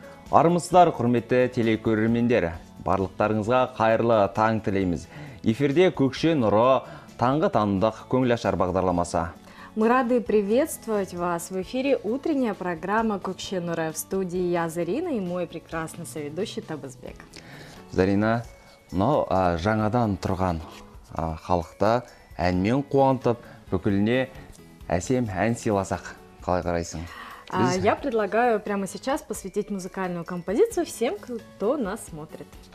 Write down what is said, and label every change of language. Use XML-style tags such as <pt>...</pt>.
<kk>Армысыздар, құрметті телекөрермендер, барлықтарыңызға қайырлы таң тілейміз. Эфирде Көкше Нұры таңғы таңдық көңілашар бағдарламасы.</kk> <ru>Мы рады приветствовать вас в эфире утренняя программа Көкше Нұры. В студии я, Зарина, и мой прекрасный соведущий Табызбек.</ru> <kk>Зарина, жаңадан тұрған халықты әнмен қуантып, бүкіліне әсем ән сыйласақ, қалай қарайсың?</kk> <ru>Я предлагаю прямо сейчас посвятить музыкальную композицию всем, кто нас смотрит.</ru>